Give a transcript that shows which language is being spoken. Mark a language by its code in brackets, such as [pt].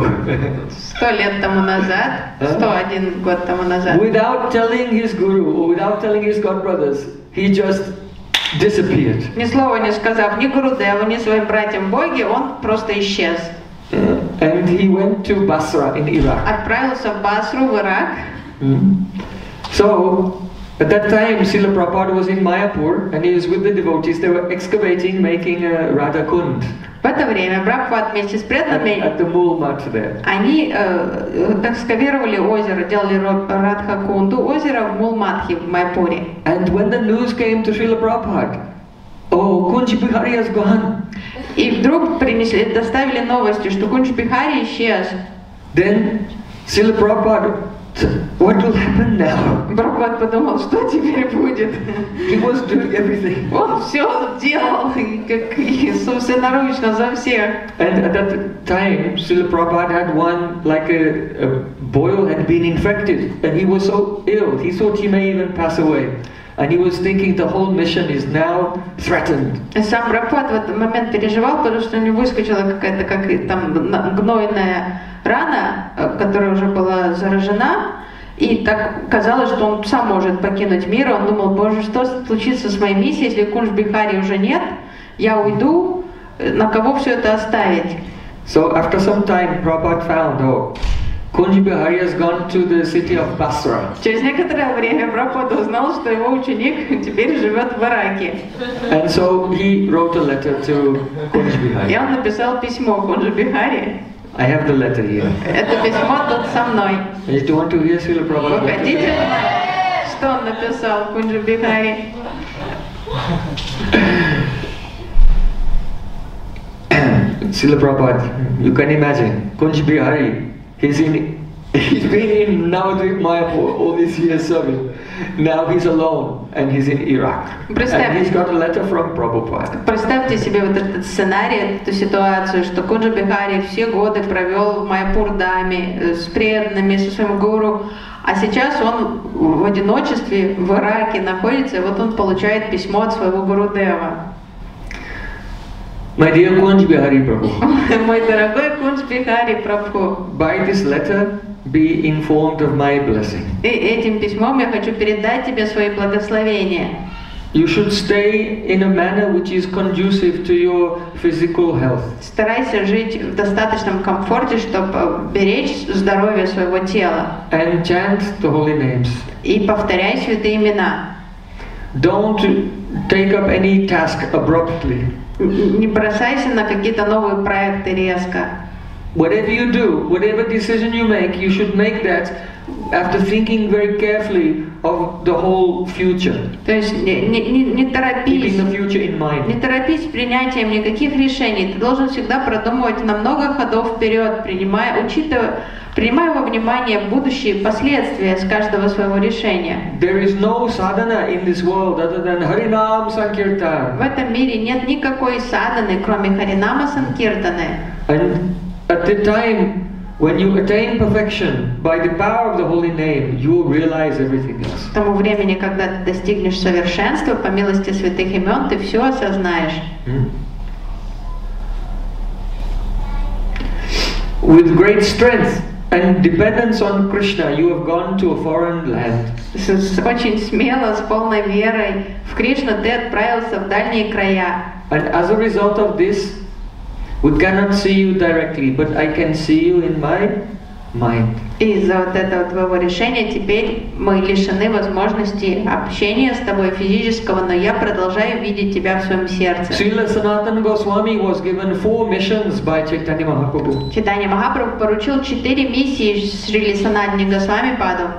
[ru] 100 лет тому назад, 101 год тому назад, [en] without telling his guru, without telling his god brothers, he just disappeared. [ru] Ни слова не сказав ни гурудеву, ни своим братьям боги, он просто исчез. [en] And he went to Basra in Iraq. [ru] Отправился в Басру в Ирак. [en] So, at that time, Srila Prabhupada was in Mayapur, and he was with the devotees. They were excavating, making a Radha Kund. [ru] В это время Прабхупад вместе с преданными они экскавировали озеро, делали Радха Кунду, озеро Мулматхи в Майпуре. [en] And when the news came to Srila Prabhupada, oh, Kunji Bihari has gone. [ru] И вдруг принесли, доставили новости, что Кунджи Бихари исчез. [en] Then Srila Prabhupada, what will happen now? [ru] Прабхупад подумал, что теперь будет. [en] He was doing everything. [ru] Он все делал, как Иисус, собственноручно за всех. [en] And at that time, Srila Prabhupada had one, like a boil had been infected, and he was so ill, he thought he may even pass away. And he was thinking the whole mission is now threatened. [ru] И сам Прабхупад в этот момент переживал, потому что у него выскочила какая-то как там гнойная рана, которая уже была заражена, и так казалось, что он сам может покинуть мир. Он думал, боже, что случится с моей миссией, если Кунж Бихари уже нет, я уйду, на кого все это оставить? [en] So after some time, Prabhupada found, oh, Kunji Bihari has gone to the city of Basra. [ru] Через некоторое время Прабхупада узнал, что его ученик теперь живет в Ираке. [en] And so he wrote a letter to Kunji Bihari. [ru] И он написал письмо Кунджи Бихари. [en] I have the letter here. [ru] Это письмо тут со мной. [en] And you don't want to hear Srila Prabhupada? [ru] Погодите, что он написал Кунджи Бихари. [en] Srila Prabhupada, you can imagine, Kunji Bihari, He's been in now doing Mayapur all these years serving. Now he's alone and he's in Iraq. And he's got a letter from Prabhupada. [ru] Представьте себе вот этот сценарий, эту ситуацию, что Кунджи Бихари все годы провел в Майапур-даме с преданными, со своим гуру, а сейчас он в одиночестве в Ираке находится, и вот он получает письмо от своего гурудева. [en] My dear Kunj Bihari Prabhu. [ru] Мой дорогой Кунж Бихари Прабху. [en] By this letter, be informed of my blessing. [ru] И этим письмом я хочу передать тебе свои благословения. [en] You should stay in a manner which is conducive to your physical health. [ru] Старайся жить в достаточном комфорте, чтобы беречь здоровье своего тела. [en] And chant the holy names. [ru] И повторяй святые имена. [en] Don't take up any task abruptly. [ru] Не бросайся на какие-то новые проекты резко. [en] Whatever you do, whatever decision you make, you should make that after thinking very carefully of the whole future. [ru] То есть не торопись. [en] Keeping the future in mind. [ru] Не торопись с принятием никаких решений. Ты должен всегда продумывать на много ходов вперед, принимая во внимание будущие последствия с каждого своего решения. [en] There is no sadhana in this world other than Harinam Sankirtan. [ru] В этом мире нет никакой садханы, кроме Харинама Санкиртаны. [en] At the time when you attain perfection by the power of the holy name, you will realize everything else. [ru] К тому времени, когда ты достигнешь совершенства по милости святых имен, ты все осознаешь. [en] With great strength and dependence on Krishna, you have gone to a foreign land. [ru] С очень смело, с полной верой в Кришну ты отправился в дальние края. [en] And as a result of this, we cannot see you directly, but I can see you in my mind. [ru] Из-за вот этого твоего решения теперь мы лишены возможности общения с тобой физического, но я продолжаю видеть тебя в своем сердце. [en] Srila Sanatana Goswami was given 4 missions by Chaitanya Mahaprabhu. [ru] Chaitanya Mahaprabhu поручил 4 миссии Srila Sanatana Goswami Паду.